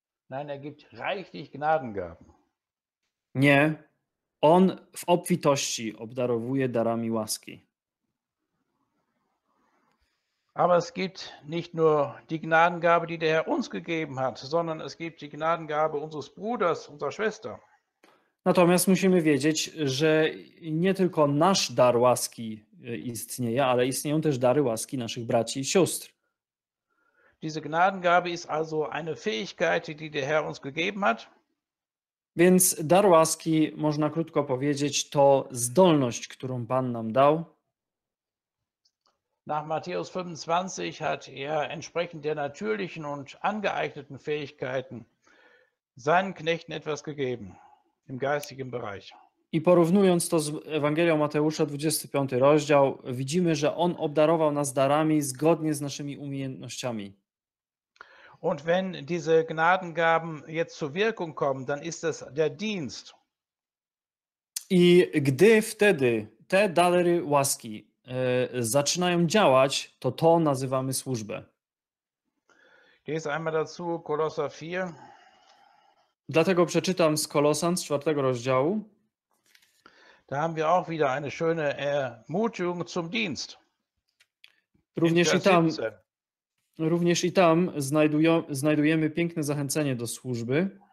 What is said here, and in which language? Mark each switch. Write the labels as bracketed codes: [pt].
[de] Nein, er gibt reichlich Gnadengaben. [pl] Nie, On w obfitości obdarowuje darami łaski. [de] Aber es gibt nicht nur die Gnadengabe, die der Herr uns gegeben hat, sondern es gibt die Gnadengabe unseres Bruders, unserer Schwester. [pl] Natomiast musimy wiedzieć, że nie tylko nasz dar łaski istnieje, ale istnieją też dary łaski naszych braci i sióstr. [de] Diese Gnadengabe ist also eine Fähigkeit, die der Herr uns gegeben hat. [pl] Więc dar łaski, można krótko powiedzieć, to zdolność, którą Pan nam dał. [de] Nach Matthäus 25 hat er entsprechend der natürlichen und angeeigneten Fähigkeiten seinen Knechten etwas gegeben im geistigen Bereich. [pl] I porównując to z Ewangelią Mateusza, 25 rozdział, widzimy, że On obdarował nas darami zgodnie z naszymi umiejętnościami. [de] Und wenn diese Gnadengaben jetzt zur Wirkung kommen, dann ist das der Dienst. [pl] I gdy wtedy te dary łaski zaczynają działać, to nazywamy służbę. [de] Geh jetzt einmal dazu, Kolosser 4. [pl] Dlatego przeczytam z Kolosan, z 4 rozdziału. [de] Da haben wir auch wieder eine schöne Ermutigung zum Dienst. [pl] Również i tam znajdujemy piękne zachęcenie do służby.